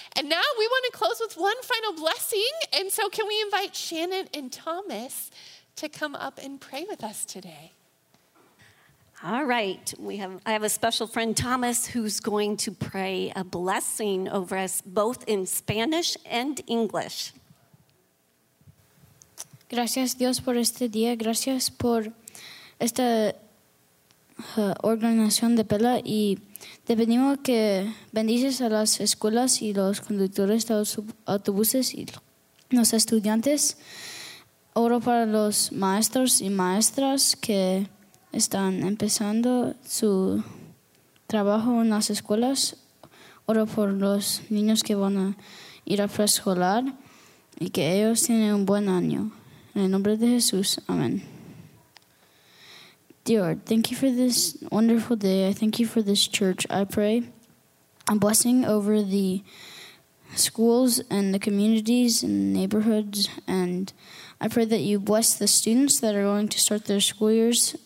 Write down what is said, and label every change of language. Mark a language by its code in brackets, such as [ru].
[en] And now we want to close with one final blessing. And so can we invite Shannon and Thomas to come up and pray with us today? All right. I have a special friend, Thomas, who's going to pray a blessing over us both in Spanish and English. [es] Gracias, Dios, por este día. Gracias por esta organización de Pela. Y te pedimos que bendices a las escuelas y los conductores de los autobuses y los estudiantes. Oro para los maestros y maestras que están empezando su trabajo en las escuelas. Oro por los niños que van a ir a preescolar y que ellos tienen un buen año. En el nombre de Jesús. Amén. [en] Dear, thank you for this wonderful day. I thank you for this church. I pray a blessing over the schools and the communities and neighborhoods, and I pray that you bless the students that are going to start their school years.